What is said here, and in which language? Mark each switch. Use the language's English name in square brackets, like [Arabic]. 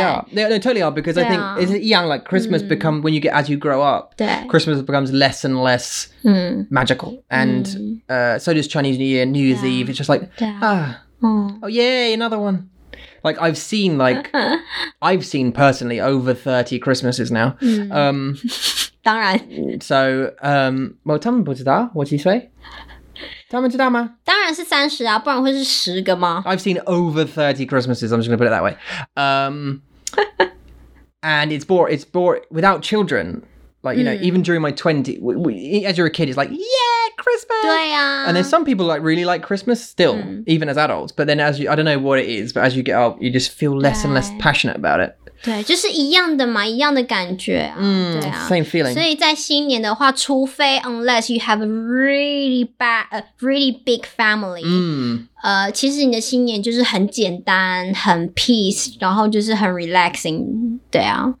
[English] They are they totally are because I think it's [Chinese] 一样 [English] like Christmas become when you get as you grow up Christmas becomes less and less magical and so does Chinese New Year New Year's Eve it's just like oh yay another one Like, I've seen, like, I've seen personally over 30 Christmases now. [Chinese] 当然. So, 他们不知道我几岁? 他们知道吗? 当然是30啊, 不然会是10个吗? [English] I've seen over 30 Christmases, I'm just going to put it that way. and it's bore, without children, like, you know, even during my 20s, as you're a kid, it's like, yeah, Christmas! [Chinese] 对啊. [English] And there's some people like really like Christmas still, even as adults, but then as you, I don't know what it is, but as you get up, you just feel less and less passionate about it. [Chinese] 对,就是一样的嘛,一样的感觉啊, 对啊. [English] Same feeling. [Chinese] 所以在新年的话, 除非, [English] unless you have a really bad, a really big family, [Chinese] 其实你的新年就是很简单,很 peace, 然后就是很 relaxing, 对啊.